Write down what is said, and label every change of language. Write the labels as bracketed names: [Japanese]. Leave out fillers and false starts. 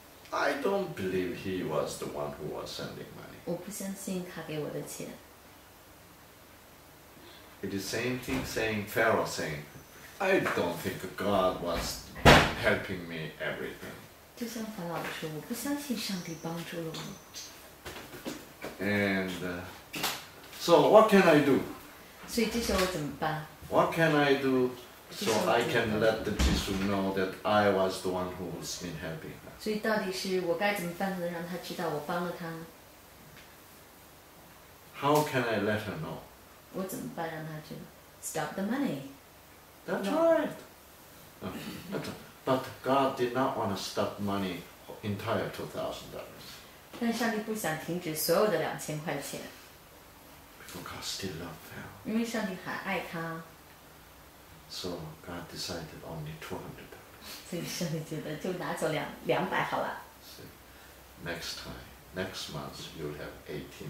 [English] I don't believe he was the one who was sending money. [Chinese] 我不相信他给我的钱。 [English] It is the same thing saying Pharaoh saying, I don't think God was helping me everything. [Chinese] 就像法老说, 我不相信上帝帮助了我。 [English] And so what can I do? [Chinese] 所以这时候我怎么办? [English] What can I do? So I can let the Jisoo know that I was the one who has been helping her. [Chinese] 所以到底是我该怎么办才能让他知道我帮了他? [English] How can I let her know? [Chinese] 我怎么办让他知道? [English] Stop the money. That's no. Right. But God did not want to stop money entire $2,000. [Chinese] 但上帝不想停止所有的2000块钱. [English] Because God still loved her. [Chinese] 因为上帝还爱他。 [English] So God decided only $200. Next time, next month, you'll have $1,800.